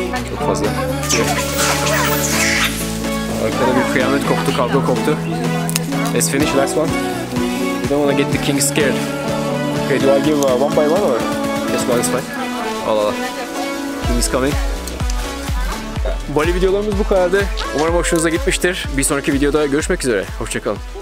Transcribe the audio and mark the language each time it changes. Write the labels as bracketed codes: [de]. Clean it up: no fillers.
[tr] Çok fazla. Arkada bir kıyamet koptu, kavga koptu. [en] Let's finish last one. don't want to get the king scared. Okay, do I give one by one or? Yes, one is fine. Allah. King is coming. [tr] Bali videolarımız bu kadardı. Umarım hoşunuza gitmiştir. Bir sonraki videoda görüşmek üzere. Hoşçakalın.